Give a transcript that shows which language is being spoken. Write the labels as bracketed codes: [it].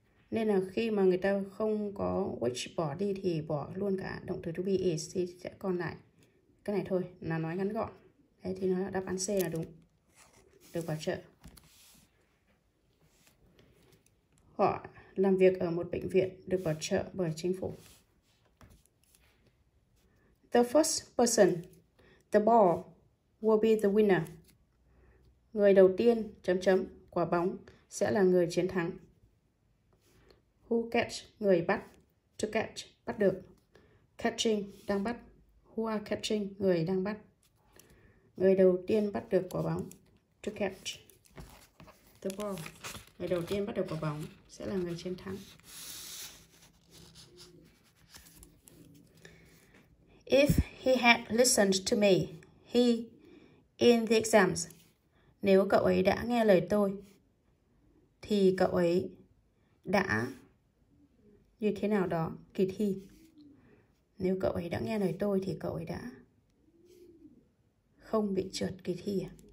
[vi] Nên là khi mà người ta không có which bỏ đi thì bỏ luôn cả động từ [en] to be is [vi] thì sẽ còn lại. Cái này thôi, là nói ngắn gọn. Thế thì nó đáp án C là đúng. Được bảo trợ. Họ làm việc ở một bệnh viện được bảo trợ bởi chính phủ. [en] The first person, the ball, will be the winner. [vi] Người đầu tiên, chấm chấm, quả bóng, sẽ là người chiến thắng. [en] Who catch, [vi] người bắt, [en] to catch, [vi] bắt được. Catching, đang bắt. [en] Who are catching, [vi] người đang bắt. Người đầu tiên bắt được quả bóng, [en] to catch the ball. [vi] Người đầu tiên bắt được quả bóng sẽ là người chiến thắng. [en] If he had listened to me, he in the exams. [vi] Nếu cậu ấy đã nghe lời tôi, thì cậu ấy đã như thế nào đó, kỳ thi. Nếu cậu ấy đã nghe lời tôi thì cậu ấy đã không bị trượt kỳ thi à?